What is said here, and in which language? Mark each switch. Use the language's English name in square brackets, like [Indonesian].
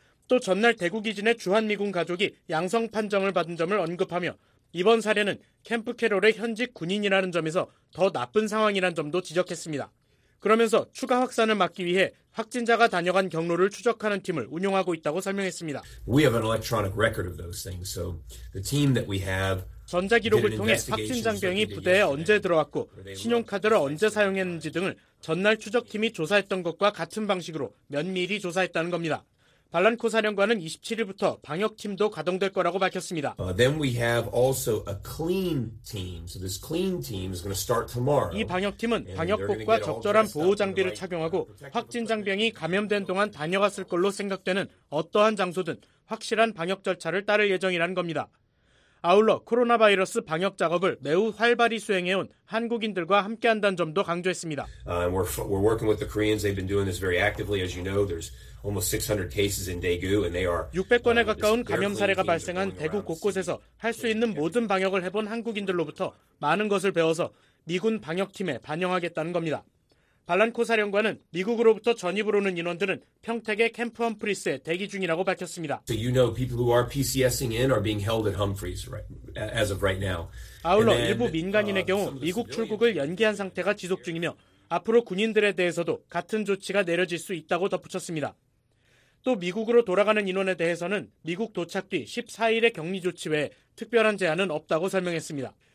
[Korean] 또 전날 대구 기진의 주한미군 가족이 양성 판정을 받은 점을 언급하며 이번 사례는 캠프 캐롤의 현직 군인이라는 점에서 더 나쁜 상황이라는 점도 지적했습니다. 그러면서 추가 확산을 막기 위해 확진자가 다녀간 경로를 추적하는 팀을 운영하고 있다고 설명했습니다. [English] We have an electronic record of those things, so the team that we have [Korean] 전자기록을 통해 확진 장병이 부대에 언제 들어왔고 신용카드를 언제 사용했는지 등을 전날 추적팀이 조사했던 것과 같은 방식으로 면밀히 조사했다는 겁니다. 발란코 사령관은 27일부터 방역팀도 가동될 거라고 밝혔습니다. [English] Then we have also a clean team. So this clean team is going to start tomorrow. [Korean] 이 방역팀은 방역복과 적절한 보호 장비를 착용하고 확진 장병이 감염된 동안 다녀갔을 걸로 생각되는 어떠한 장소든 확실한 방역 절차를 따를 예정이라는 겁니다. 아울러 코로나 바이러스 방역 작업을 매우 활발히 수행해 온 한국인들과 함께 한다는 점도 강조했습니다. [English] We're working with the Koreans. They've been doing this very actively as you know. There's almost 600 cases in Daegu and they are [Korean] 600건에 가까운 감염 사례가 발생한 대구 곳곳에서 할 수 있는 모든 방역을 해본 한국인들로부터 많은 것을 배워서 미군 방역팀에 반영하겠다는 겁니다. 발란코 사령관은 미국으로부터 전입으로 오는 인원들은 평택의 캠프 험프리스에 대기 중이라고 밝혔습니다. [English] So you know people who are PCSing in are being held at Humphreys right as of right now. [Korean] 아울러 일부 민간인의 경우 미국 출국을 연기한 상태가 지속 중이며 앞으로 군인들에 대해서도 같은 조치가 내려질 수 있다고 덧붙였습니다. 또 미국으로 돌아가는 인원에 대해서는 미국 도착 뒤 14일의 격리 조치 외에 특별한 제한은 없다고 설명했습니다.